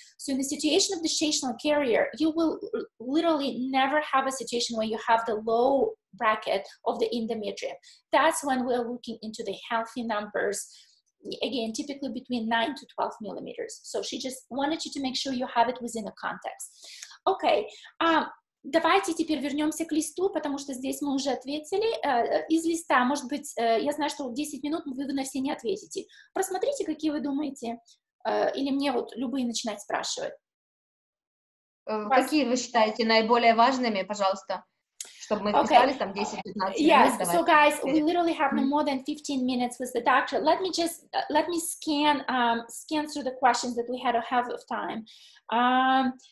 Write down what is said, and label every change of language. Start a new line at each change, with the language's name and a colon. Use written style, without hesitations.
English: So in the situation of the gestational carrier, you will literally never have a situation where you have the low bracket of the endometrium. That's when we're looking into the healthy numbers, again, typically between 9 to 12 millimeters. So she just wanted you to make sure you have it within the context.
Russian: Okay, давайте теперь вернемся к листу, потому что здесь мы уже ответили. Из листа, может быть, я знаю, что 10 минут вы на все не ответите. Просмотрите, какие вы думаете, или мне вот любые начинать спрашивать. Какие вы считаете наиболее важными, пожалуйста?
English: Okay. Yes. So, guys, we literally have no more than 15 minutes with the doctor. Let me scan through the questions that we had ahead of time.